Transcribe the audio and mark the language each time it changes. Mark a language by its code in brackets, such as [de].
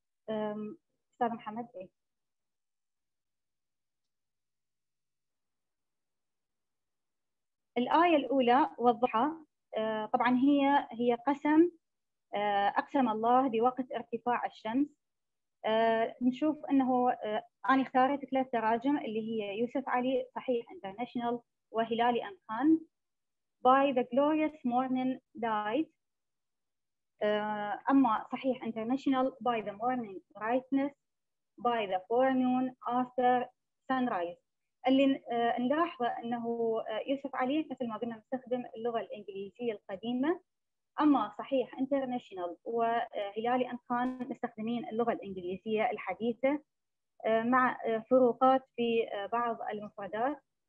[ar] أستاذ محمد إيه؟ الآية الأولى والضحى طبعاً هي قسم أقسم الله بوقت ارتفاع الشمس. نشوف أنه أنا اختارت ثلاث تراجم اللي هي يوسف علي صحيح انترناشنال وهلالي أن خان. [en] By the glorious morning light. أما صحيح international by the morning brightness. By the forenoon after sunrise. [ar] اللي نلاحظه أنه يوسف علي مثل ما قلنا نستخدم اللغة الإنجليزية القديمة. أما صحيح انترناشنال وهلالي أن خان مستخدمين اللغة الإنجليزية الحديثة مع فروقات في بعض المفردات.